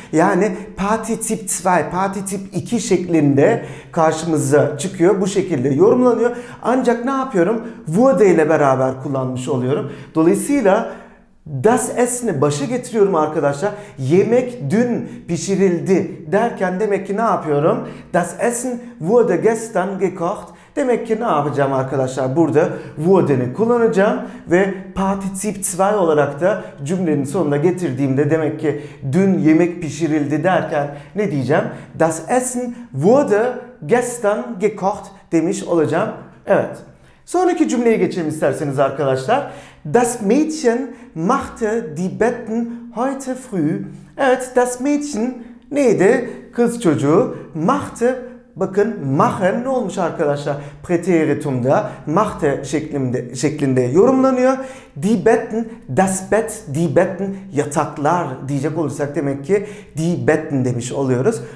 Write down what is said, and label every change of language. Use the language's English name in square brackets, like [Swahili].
[Turkish] Yani partizip 2, partizip 2 şeklinde karşımıza çıkıyor. Bu şekilde yorumlanıyor. Ancak ne yapıyorum? Wurde ile beraber kullanmış oluyorum. Dolayısıyla das Essen'i başa getiriyorum arkadaşlar. Yemek dün pişirildi derken demek ki ne yapıyorum? [German] Das Essen wurde gestern gekocht. [Turkish] Demek ki ne yapacağım arkadaşlar? Burada wurde'ni kullanacağım ve Partizip 2 olarak da cümlenin sonuna getirdiğimde demek ki dün yemek pişirildi derken ne diyeceğim? [German] Das Essen wurde gestern gekocht [Turkish] demiş olacağım. Evet. Sonraki cümleye geçelim isterseniz arkadaşlar. [German] Das Mädchen machte die Betten heute früh. [Turkish] Evet, [German] das Mädchen [Turkish] neydi? Kız çocuğu machte. Bakın machen ne olmuş arkadaşlar? Präteritum'da machte şeklinde yorumlanıyor. [German] Die Betten, das Bett, die Betten, [Turkish] yataklar diyecek olursak demek ki [German] die Betten [Turkish] demiş oluyoruz.